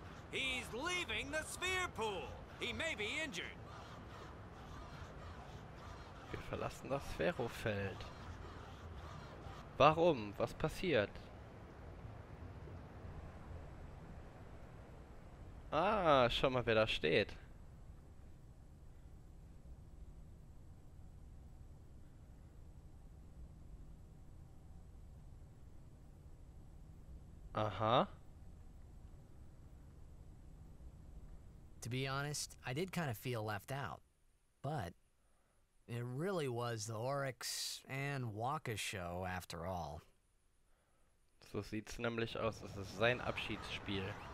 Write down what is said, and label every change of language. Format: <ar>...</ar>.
<en>He's leaving the sphere pool. He may be injured.</en> <de>Wir verlassen das Sphärofeld. Warum? Was passiert? Ah, schau mal, wer da steht. Aha.</de> <en>To be honest, I did kind of feel left out, but it really was the Oryx and Waka show after all.</en> <de>So sieht's nämlich aus, es ist sein Abschiedsspiel.</de>